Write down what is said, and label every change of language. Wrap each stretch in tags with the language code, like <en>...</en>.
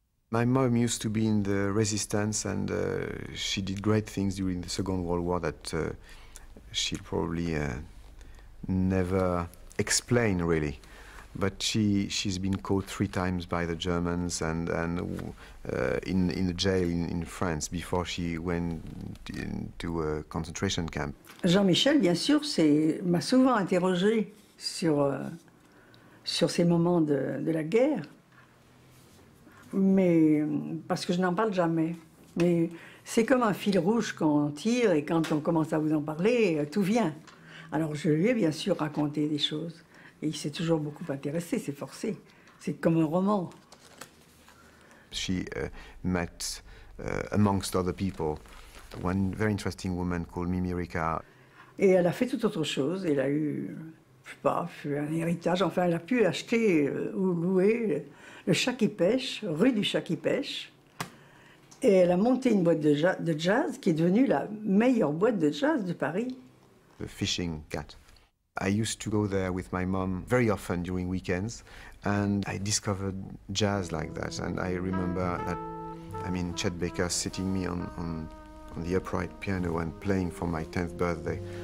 <en>My mom used to be in the resistance, and she did great things during the Second World War that she'll probably never explain really. But she's been caught 3 times by the Germans and in a jail in France before she went into a concentration camp.</en> <fr>Jean-Michel, bien sûr, m'a souvent interrogé sur ces moments de la guerre, mais parce que je n'en parle jamais. Mais c'est comme un fil rouge qu'on tire, et quand on commence à vous en parler, tout vient. Alors je lui ai bien sûr raconté des choses. Et il s'est toujours beaucoup intéressé, c'est forcé. C'est comme un roman.</fr> <en>She met amongst other people one very interesting woman called Mimi Ricard.</en> <fr>Et elle a fait tout autre chose. Elle a eu, je sais pas, un héritage. Enfin, elle a pu acheter ou louer le chat qui pêche, rue du chat qui pêche. Et elle a monté une boîte de jazz qui est devenue la meilleure boîte de jazz de Paris.</fr> <en>The Fishing Cat. I used to go there with my mom very often during weekends, and I discovered jazz like that. And I remember that, I mean, Chet Baker sitting me on the upright piano and playing for my 10th birthday.</en>